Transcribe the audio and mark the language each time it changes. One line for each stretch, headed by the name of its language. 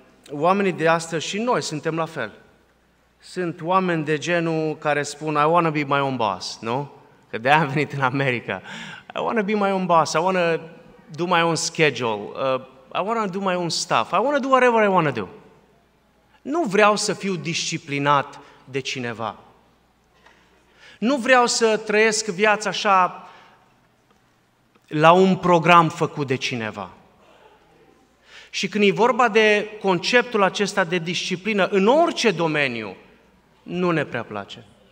Romanian: Oamenii de astăzi și noi suntem la fel. Sunt oameni de genul care spun,
English: I want to be my own boss,
Romanian: nu? Că de-aia am venit în America.
English: I want to be my own boss, I want to do my own schedule, I want to do my own stuff, I want to do whatever I want to do.
Romanian: Nu vreau să fiu disciplinat de cineva. Nu vreau să trăiesc viața așa la un program făcut de cineva. Și când e vorba de conceptul acesta de disciplină, în orice domeniu, nu ne prea place.